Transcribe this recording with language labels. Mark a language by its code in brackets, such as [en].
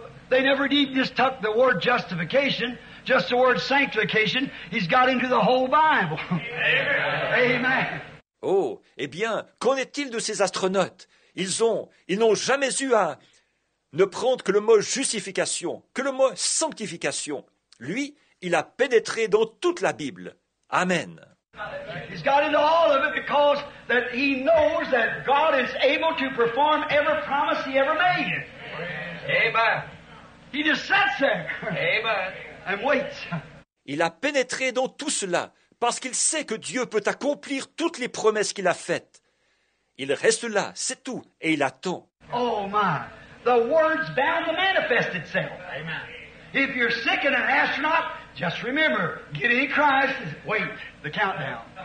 [en] They never even just took the word justification, just the word sanctification. He's got into the whole Bible. Amen. [fr] Oh, eh bien, qu'en est-il de ces astronautes? Ils n'ont jamais eu à ne prendre que le mot justification, que le mot sanctification. Lui, il a pénétré dans toute la Bible. Amen. [en] He's got into all of it because that he knows that God is able to perform every promise he ever made. Amen. He just sits there. Amen. And waits. [fr] Il a pénétré dans tout cela parce qu'il sait que Dieu peut accomplir toutes les promesses qu'il a faites. Il reste là, c'est tout, et il attend. [en] Oh my, the word's bound to manifest itself. Amen. If you're sick and an astronaut, just remember, get in Christ, wait, the countdown.